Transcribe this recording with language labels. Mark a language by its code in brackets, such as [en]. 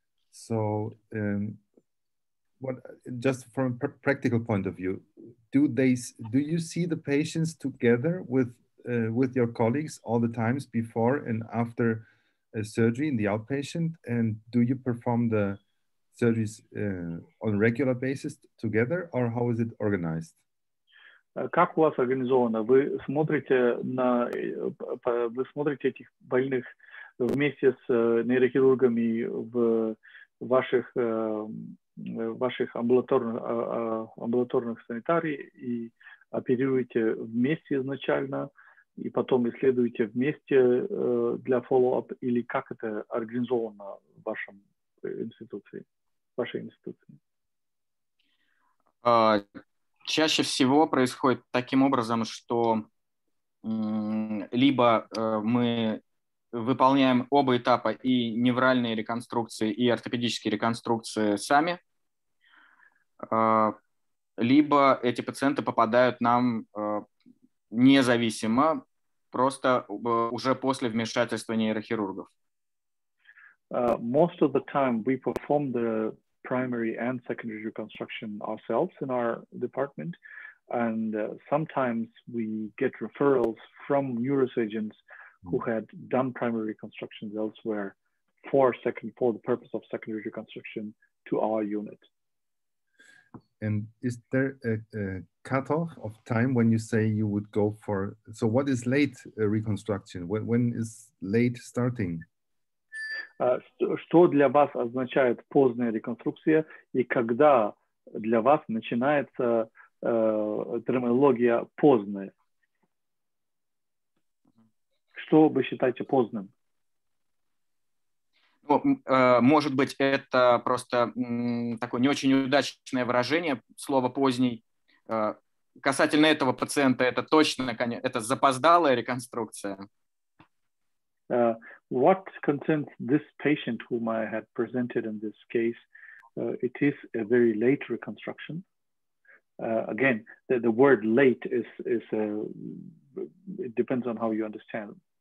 [en] So what, just from a practical point of view, do you see the patients together with your colleagues all the times before and after a surgery in the outpatient? And do you perform the surgeries on a regular basis together, or how is it organized? [ru] Как у вас организовано? Вы смотрите этих больных вместе с нейрохирургами в ваших амбулаторных санитариях и оперируете вместе изначально, и потом исследуете вместе для follow-up, или как это организовано в вашем институции, в вашей институции? Чаще всего происходит таким образом, что либо мы выполняем оба этапа, и невральные реконструкции, и ортопедические реконструкции сами, либо эти пациенты попадают нам независимо, просто уже после вмешательства нейрохирургов. [en] Most of the time we perform the primary and secondary reconstruction ourselves in our department, and sometimes we get referrals from neurosurgeons who had done primary reconstructions elsewhere for the purpose of secondary reconstruction to our unit. And is there a cutoff of time when you say you would go for, so what is late reconstruction? When is late starting? [ru] Что для вас означает поздняя реконструкция, и когда для вас начинается терминология поздняя? Что вы считаете поздним? Ну, может быть, это просто такое не очень удачное выражение, слово «поздний». Касательно этого пациента, это точно, это запоздалая реконструкция. [en] What concerns this patient whom I had presented in this case, it is a very late reconstruction. Again, the word late it depends on how you understand.